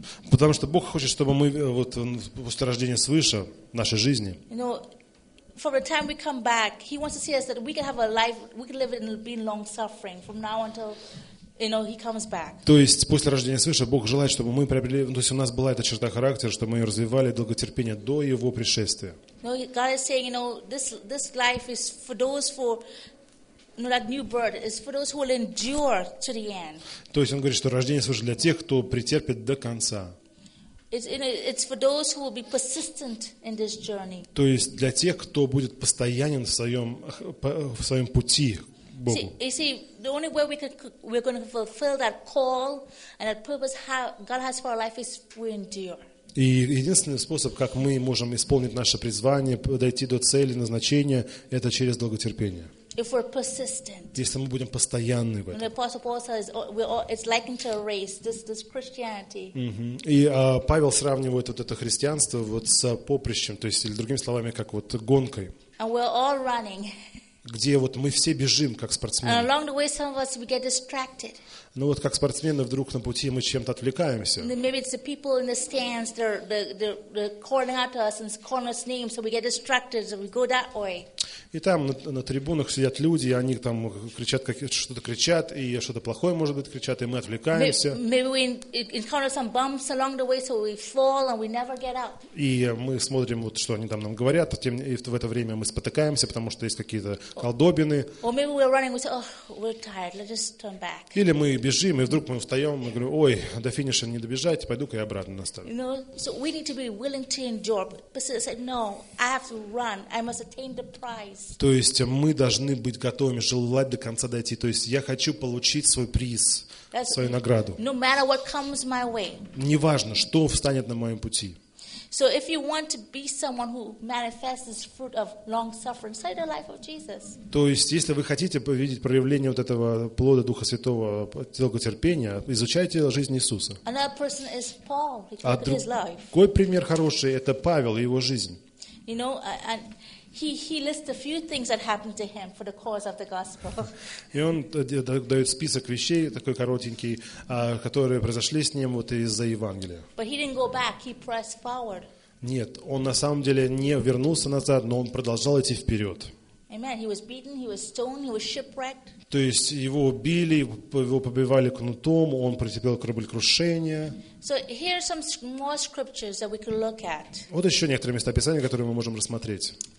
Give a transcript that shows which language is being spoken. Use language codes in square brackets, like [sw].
[ru] Потому что Бог хочет, чтобы мы вот после рождения свыше в нашей жизни. [en] You know, from the time we come back, he wants to see us that we can have a life, we can live it and be in long suffering from now until. You know, he comes back. [ru] То есть после рождения свыше Бог желает, чтобы мы приобрели, то есть у нас была эта черта характера, чтобы мы ее развивали долготерпение до его пришествия. [en] No, God is saying, you know, this life is for those that new birth is for those who will endure to the end. [ru] То есть он говорит, что рождение свыше для тех, кто претерпит до конца. [en] It's for those who will be persistent in this journey. [ru] То есть для тех, кто будет постоянен в своем пути. [en] See, the only way we're going to fulfill that call and that purpose God has for our life is we endure. [ru] И единственный способ, как мы можем исполнить наше призвание, дойти до цели, назначения, это через долготерпение. [en] If we're persistent. [ru] Если мы будем постоянны в этом. [en] And the Apostle Paul says, it's likened to a race, this Christianity. [ru] И Павел сравнивает вот это христианство вот с поприщем, то есть, или другими словами, как вот гонкой. [en] And we're all running. [ru] Где вот мы все бежим, как спортсмены. [en] And along the way, some of us, we get distracted. [ru] Ну вот как спортсмены вдруг на пути мы чем-то отвлекаемся. [en] And maybe it's the people in the stands, they're calling out to us and calling us names, so we get distracted, so we go that way. [ru] И там на трибунах сидят люди, и они там кричат, и что-то плохое, может быть, кричат, и мы отвлекаемся. [en] Maybe we encounter some bumps along the way, so we fall and we never get up. [ru] И мы смотрим, вот, что они там нам говорят, и в это время мы спотыкаемся, потому что есть какие-то колдобины. [en] Or maybe we're running, we say, oh, we're tired, let's just turn back. [ru] Или мы бежим, и вдруг мы встаем, мы говорим, ой, до финиша не добежать, пойду-ка я обратно на старт. [en] You know, so we need to be willing to endure, but Jesus said, no, I have to run, I must attain the prize. [ru] То есть мы должны быть готовыми желать до конца дойти. То есть я хочу получить свой приз, свою награду. [en] No matter what comes my way. [ru] Неважно, что встанет на моем пути. [en] So if you want to be someone who manifests this fruit of long suffering, study the life of Jesus. [ru] То есть если вы хотите видеть проявление вот этого плода Духа Святого, долготерпения, изучайте жизнь Иисуса. [en] Another person is Paul. He took his life. [ru] Какой пример хороший? Это Павел и его жизнь. [en] You know, and He lists a few things that happened to him for the cause of the gospel. [ru] И он дает список вещей такой коротенький, которые произошли с ним вот из-за Евангелия. [en] But he didn't go back. He pressed forward. [ru] Нет, он на самом деле не вернулся назад, но он продолжал идти вперед. [en] Amen. He was beaten. He was stoned. He was shipwrecked. [ru] То есть его убили, его побивали кнутом, он претерпел кораблекрушение. [en] So here are some more scriptures that we could look at. [ru] Вот еще некоторые места Писания, которые мы можем рассмотреть.